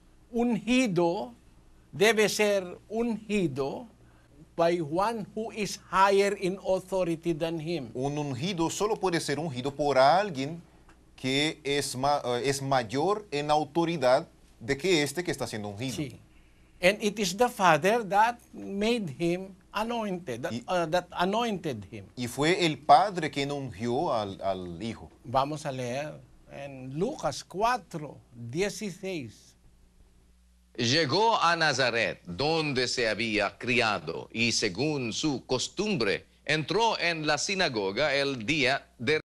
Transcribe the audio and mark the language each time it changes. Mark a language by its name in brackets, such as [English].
[Spanish] Ungido debe ser ungido [English] by one who is higher in authority than him. [Spanish] Un ungido solo puede ser ungido por alguien que es mayor en autoridad de que este que está siendo ungido. Sí. [English] And it is the Father that made him anointed, that anointed him. [Spanish] Y fue el Padre quien ungió al Hijo. Vamos a leer en Lucas 4:16. Llegó a Nazaret, donde se había criado, y según su costumbre, entró en la sinagoga el día de